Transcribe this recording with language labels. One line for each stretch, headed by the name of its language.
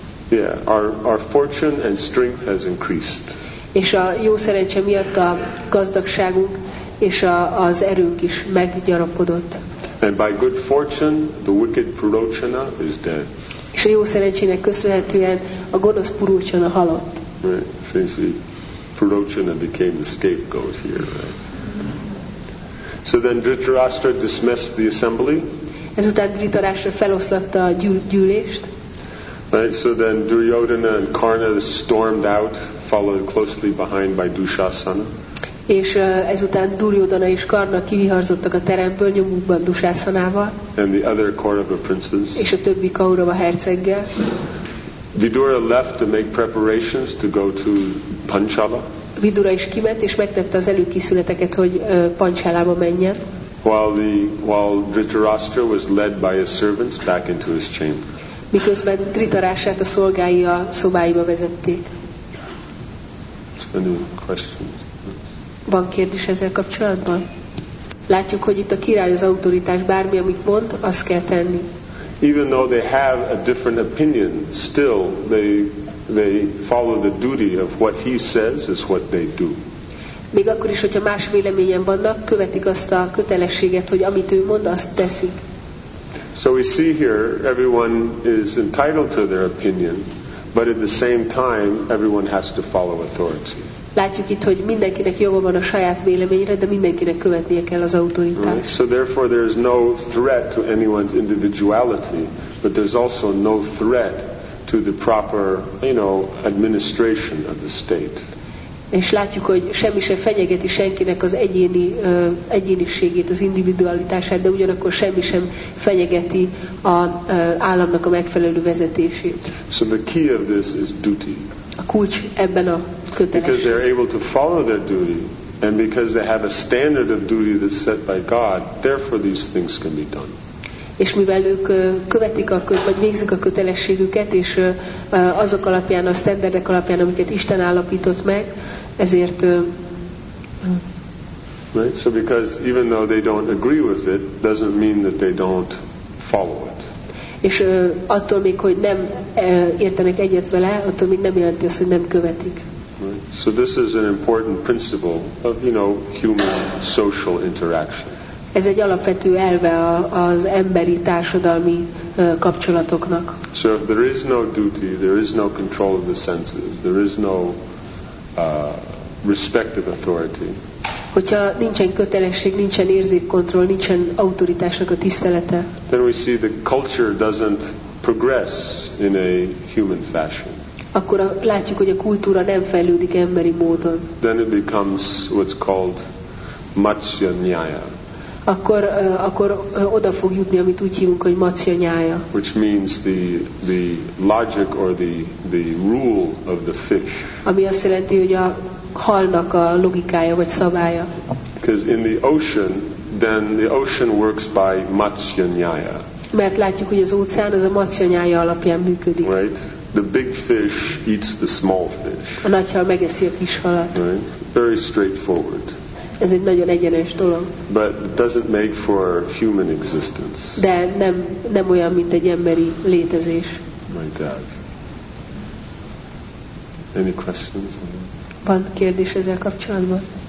English: Yeah, our fortune and strength has increased.
Hungarian: És a jó szerencse miatt a gazdagságunk és az erők is meggyarapodott.
English: And by good fortune, the wicked Purochana is dead.
Hungarian: És a jó szerencsének köszönhetően a gonosz Purochana halott.
English: Right, since Purochana became the scapegoat here. Right? So then Dhritarashtra dismissed the assembly.
Hungarian: Ezután Dhritarashtra feloszlatta a gyűlést.
English: Right, so then Duryodhana and Karna stormed out, followed closely behind by Dushasana.
Hungarian: És ezután Duryodhana és Karna kiviharzottak a teremből nyomukban Dushasanával.
English: And the other Kaurava princes.
Hungarian: És a többi Kaurava herceggel.
English: Vidura left to make preparations to go to Panchala.
Hungarian: Vidura is kiment és megtette az előkészületeket, hogy Panchalába menjen.
English: While Dhritarashtra was led by his servants back into his chamber.
Hungarian: Miközben Dhritarashtrát a szolgái a szobáiba vezették.
English: Any questions?
Hungarian: Van kérdés ezzel kapcsolatban? Látjuk, hogy itt a király az autoritás, bármi, amit mond, azt kell tenni.
English: Even though they have a different opinion, still they follow the duty of what he says is what they do.
Hungarian: Még akkor is, hogyha más véleményen vannak, követik azt a kötelességet, hogy amit ő mond, azt teszik.
English: So we see here everyone is entitled to their opinion, but at the same time everyone has to follow authority.
Hungarian: Látjuk itt, hogy mindenkinek joga van a saját véleményre, de mindenkinek követnie kell az autoritást.
English: Right. So therefore there is no threat to anyone's individuality, but there's also no threat to the proper, you know, administration of the state.
Hungarian: És látjuk, hogy semmi sem fenyegeti senkinek az egyéni egyéniségét, az individualitását, de ugyanakkor semmi sem fenyegeti az államnak a megfelelő vezetését.
English: So the key of this is duty.
Hungarian: A kulcs ebben a kötelesség.
English: Because they're able to follow their duty, and because they have a standard of duty that's set by God, therefore these things can be done.
Hungarian: És mivel ők követik a vagy végzik a kötelességüket, és azok alapján, a standardek alapján, amiket Isten állapított meg, ezért.
English: Right? So because even though they don't agree with it, doesn't mean that they don't follow it.
Hungarian: És attól még, hogy nem értenek egyet vele, attól még nem jelenti azt, hogy nem követik.
English: Right. So this is an important principle of, you know, human social interaction.
Hungarian: Ez egy alapvető elve az emberi társadalmi kapcsolatoknak.
English: So if there is no duty, there is no control of the senses, there is no respect of authority.
Hungarian: Hogyha nincsen kötelesség, nincsen érzékkontroll, nincsen autoritásnak a tisztelete.
English: Then we see the culture doesn't progress in a human fashion.
Hungarian: Akkor látjuk, hogy a kultúra nem fejlődik emberi módon.
English: Then it becomes what's called matsya nyaya.
Hungarian: Akkor oda fog jutni, amit úgy hívunk, hogy matsya nyaya.
English: Which means the logic or the rule of the fish.
Hungarian: Ami azt jelenti, hogy a halnak a logikája vagy szabálya.
English: Because in the ocean, then the ocean works by matsyanyaya.
Hungarian: Mert látjuk, hogy az óceán az a matsyanyaya alapján működik.
English: Right? The big fish eats the small fish.
Hungarian: A nagy hal megeszi a kis halat.
English: Right? Very straightforward.
Hungarian: Ez egy nagyon egyenes dolog.
English: But it doesn't make for human existence.
Hungarian: De nem olyan, mint egy emberi létezés.
English: Like that. Any questions?
Hungarian: Van kérdés ezzel kapcsolatban?